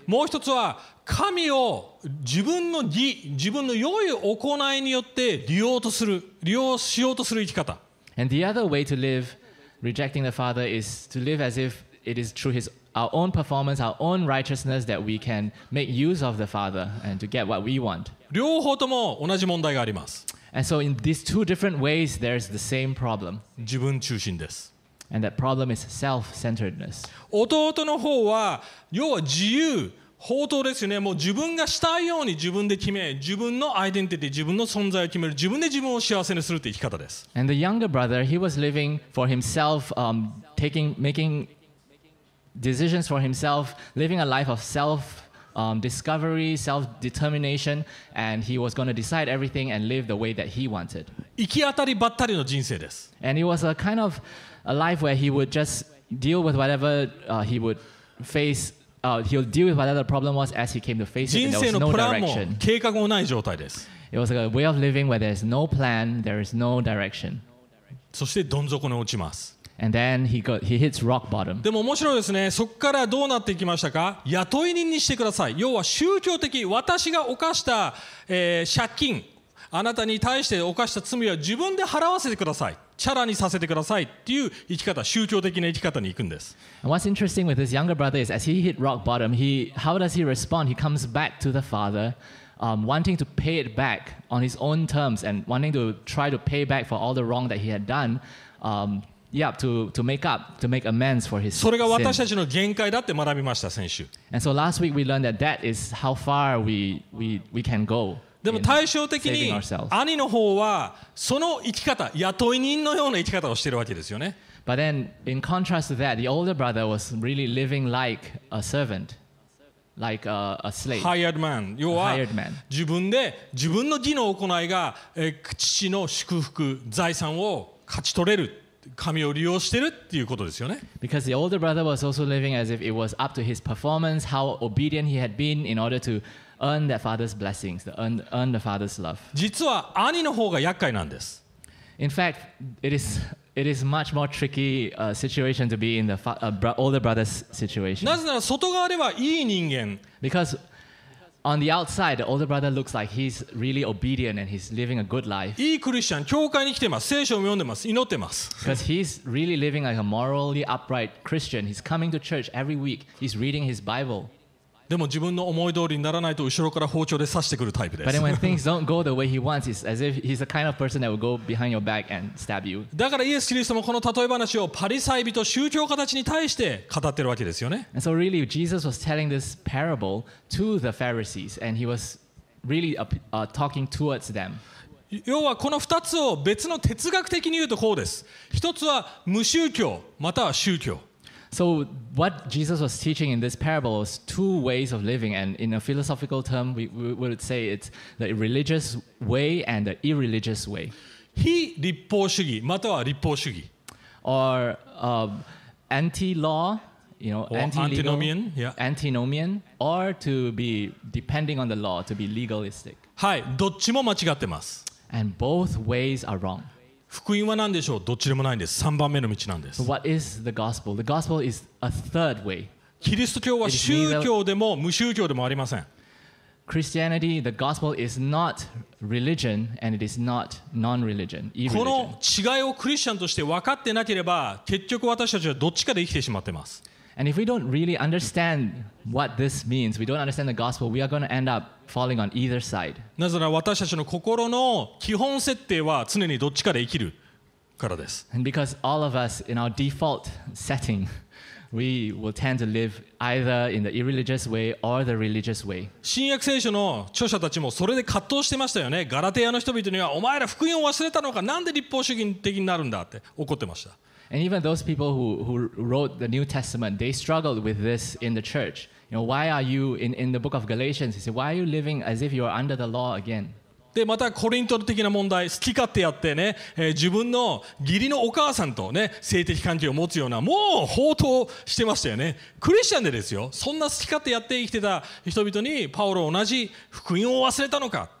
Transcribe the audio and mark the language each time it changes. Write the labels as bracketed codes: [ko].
[ja] もう一つは神を自分の義、自分の良い行いによって利用しようとする生き方。 [en] And the other way to live rejecting the Father is to live as if it is through our own performance, our own righteousness that we can make use of the Father and to get what we want. [ja] 両方とも同じ問題があります。 [en] And so in these two different ways, there's the same problem. [ja] 自分中心です。 [en] And that problem is self-centeredness. [ja] 弟の方は、要は自由、放蕩ですよね。もう自分がしたいように自分で決め、自分のアイデンティティ、自分の存在を決める、自分で自分を幸せにするという生き方です。 [en] And the younger brother, he was living for himself, making decisions for himself, living a life of self-discovery, self-determination, and he was going to decide everything and live the way that he wanted. [ja] 行き当たりばったりの人生です。 [en] And it was a kind of a life where he would just deal with whatever he would face, he'll deal with whatever the problem was as he came to face it, and there was no direction. [ja] 人生のプランも計画もない状態です。 [en] It was like a way of living where there's no plan, there is no direction. [ja] そしてどん底に落ちます。 [en] And then he hits rock bottom. [ja] でも面白いですね。そこからどうなっていきましたか？雇い人にしてください。要は宗教的、私が犯した、借金、あなたに対して犯した罪は自分で払わせてください。チャラにさせてくださいっていう生き方、宗教的な生き方に行くんです。 [en] And what's interesting with this younger brother is as he hit rock bottom, how does he respond? He comes back to the father, wanting to pay it back on his own terms and wanting to try to pay back for all the wrong that he had done. To make amends for his [ja] それが私たちの限界だって学びました先週。 [en] And so last week we learned that is how far we can go. [ja] でも対照的に兄の方はその生き方雇い人のような生き方をしているわけですよね。 [en] But then in contrast to that, the older brother was really living like a servant, like a slave. Hired man. [ja] 要は [en] hired man. [ja] 自分の義の行いが父の祝福財産を勝ち取れる。神を利用してるっていうことですよね。 [en] Because the older brother was also living as if it was up to his performance, how obedient he had been in order to earn that father's blessings, to earn the father's love. [ja] 実は兄の方が厄介なんです。 [en] In fact, it is It is much more tricky situation to be in the older brother's situation. [ja] なぜなら外側ではいい人間。 [en] Because on the outside, the older brother looks like he's really obedient and he's living a good life. [ja] いいクリスチャン、教会に来てます、聖書を読んでます、祈ってます。 [en] Because he's really living like a morally upright Christian. He's coming to church every week. He's reading his Bible. [ja] でも自分の思い通りにならないと後ろから包丁で刺してくるタイプです。 [en] But when things don't go the way he wants, it's as if he's the kind of person that will go behind your back and stab you. [ja] だからイエス・キリストもこの例え話をパリサイ人、宗教家たちに対して語ってるわけですよね。 [en] And so really, Jesus was telling this parable to the Pharisees, and he was really talking towards them. [ja] 要はこの2つを別の哲学的に言うとこうです。 1つは無宗教、または宗教。 [en] So what Jesus was teaching in this parable was two ways of living, and in a philosophical term, we would say it's the religious way and the irreligious way. [ja] 非立法主義または立法主義 [en] or anti-law, you know, antinomian, antinomian, or to be depending on the law, to be legalistic. [ja] はい、どっちも間違ってます。 [en] And both ways are wrong. [ja] 福音は何でしょう？どっちでもないんです。 3番目の道なんです。 [en] What is the gospel? The gospel is a third way. [ja] キリスト教は宗教でも無宗教でもありません。 [en] Christianity, the gospel is not religion and it is not non-religion. [ja] この違いをクリスチャンとして分かってなければ、結局私たちはどっちかで生きてしまってます。 [en] And if we don't really understand what this means, we don't understand the gospel, we are going to end up falling on either side. [ja] なぜなら私たちの心の基本設定は常にどっちかで生きるからです。 [en] And because all of us in our default setting, we will tend to live either in the irreligious way or the religious way. [ja] 新約聖書の著者たちもそれで葛藤してましたよね。ガラテヤの人々にはお前ら福音を忘れたのか、なんで立法主義的になるんだって怒ってました。 [en] And even those people who wrote the New Testament, they struggled with this in the church. You know, why are you in the book of Galatians? He said, why are you living as if you are under the law again? [ja] で、またコリント的な問題、好き勝手やってね、自分の義理のお母さんとね、性的関係を持つような、もう放蕩してましたよね。クリスチャンでですよ。そんな好き勝手やって生きてた人々に、パウロ同じ福音を忘れたのか。